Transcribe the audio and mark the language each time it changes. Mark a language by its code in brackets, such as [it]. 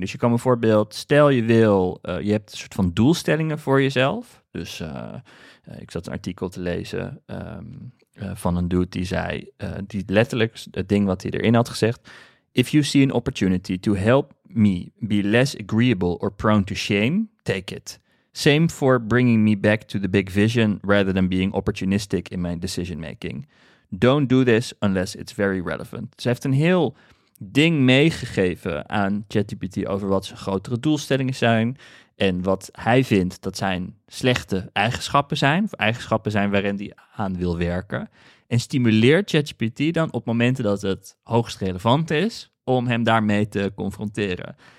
[nl] Dus je kan bijvoorbeeld, stel je wil, je hebt een soort van doelstellingen voor jezelf. Dus ik zat een artikel te lezen van een dude die zei, die letterlijk het ding wat hij erin had gezegd, [en] if you see an opportunity to help me be less agreeable or prone to shame, take it. Same for bringing me back to the big vision rather than being opportunistic in my decision making. Don't do this unless it's very relevant. [nl] Ze heeft een heel ding meegegeven aan ChatGPT over wat zijn grotere doelstellingen zijn en wat hij vindt dat zijn slechte eigenschappen zijn, of eigenschappen zijn waarin hij aan wil werken. En stimuleert ChatGPT dan op momenten dat het hoogst relevant is om hem daarmee te confronteren.